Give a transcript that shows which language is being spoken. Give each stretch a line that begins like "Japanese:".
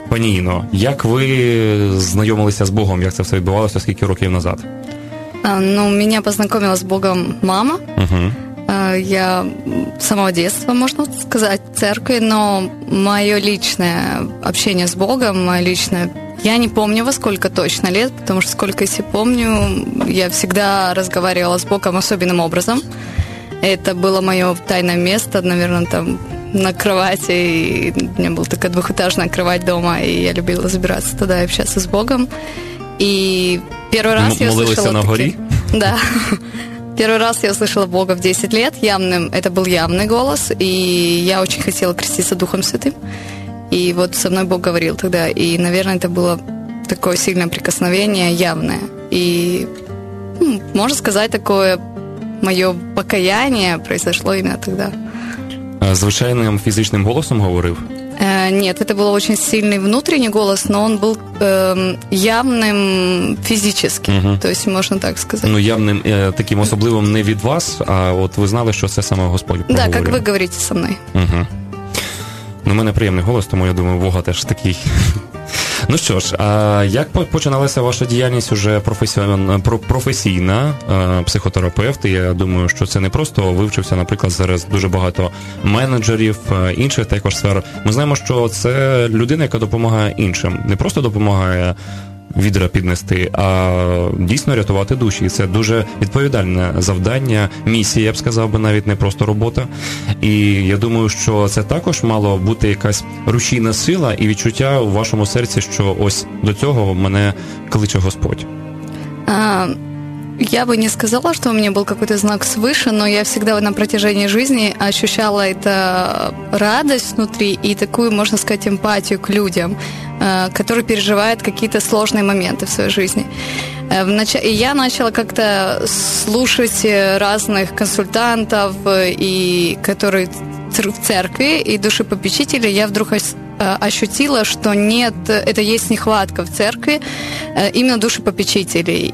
Ukrainian: Пані Інно, як ви знайомилися з Богом, як це все відбувалося, скільки років назад? Ну, мене познайомила з Богом мама. Угу. Я з самого дитинства, можна сказати, в церкві, але моє лічне спілкування з Богом, моє лічне...
Russian: Я не помню, во сколько точно лет, потому что сколько я себе помню, я всегда разговаривала с Богом особенным образом. Это было мое тайное место, наверное, там на кровати. И у меня была такая двухэтажная кровать дома, и я любила забираться туда и общаться с Богом. И первый раз я услышала... Молилась на горе? Да. Первый раз я услышала Бога в 10 лет. Явным, это был явный голос, и я очень хотела креститься Духом Святым. И вот со мной Бог говорил тогда, и, наверное, это было такое сильное прикосновение, явное. И, можно сказать, такое мое покаяние произошло именно тогда.
Ukrainian: Звичайным физичным голосом говорил?
Russian: Нет, это был очень сильный внутренний голос, но он был явным физически, то есть можно так сказать.
Ukrainian: Ну, явным, таким особливым не від вас, а вот вы знали, что це саме Господь проговорил.
Russian: Да, как вы говорите со мной. Угу.
Ukrainian: Ну, в мене приємний голос, тому я думаю, Бога теж такий. Ну що ж, а як починалася ваша діяльність уже професійна, психотерапевт? Я думаю, що це не просто вивчився, наприклад, зараз дуже багато менеджерів, інших також сфер. Ми знаємо, що це людина, яка допомагає іншим. Не просто допомагає відра піднести, а дійсно рятувати душі. І це дуже відповідальне завдання, місія, я б сказав би, навіть не просто робота. І я думаю, що це також мало бути якась рушійна сила і відчуття у вашому серці, що ось до цього мене кличе Господь. Я би не сказала, що у мене був якийсь знак свише, але я завжди на протягом житті відчувала цю радість внутрі і таку, можна сказати, емпатію до людям,
Russian: которые переживают какие-то сложные моменты в своей жизни. И я начала как-то слушать разных консультантов, и которые в церкви, и душепопечители. Я вдруг ощутила, что нет, это есть нехватка в церкви, именно душепопечителей.